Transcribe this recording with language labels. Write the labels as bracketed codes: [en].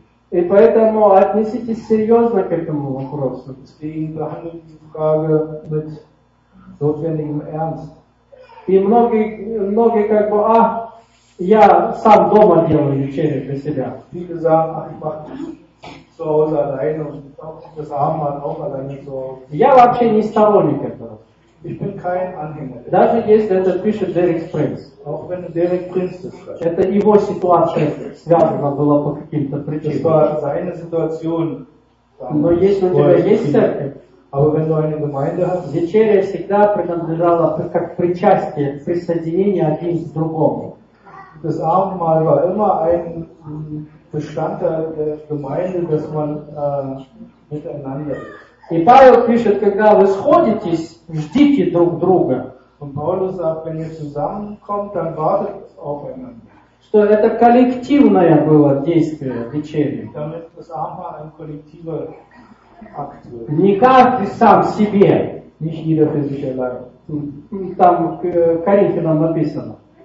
[ru] И поэтому отнеситесь серьезно к этому вопросу. И многие как бы, а... Я сам дома делаю вечерю для себя. [de] Viele sagen, ich mache zu Hause alleine und das Abendmahl auch alleine zu Hause. [ru] Я вообще не сторонник этого. [de] Ich bin kein Anhänger. [ru] Даже если это пишет Derek Prince. [de] Auch wenn Derek Prince das schreibt. [ru] Это его ситуация связана была по каким-то причинам. [de] Das war seine Situation. [ru] Но если у тебя есть церковь, [de] aber wenn du eine Gemeinde hast, [ru] вечеря всегда принадлежала как причастие, присоединение один к другому. [de] Das Abendmahl war immer ein Bestandteil der Gemeinde, dass man miteinander. [ru] И Павел пишет, когда вы сходитесь, ждите друг друга. [de] Und Paulus sagt, wenn ihr zusammenkommt, dann wartet aufeinander. [ru] Что это коллективное было действие вечерни. [de] Damit das Abendmahl ein kollektiver Akt wird. [ru] Не каждый сам себе. [de] Nicht jeder für sich allein. [ru] Там Коринфянам написано.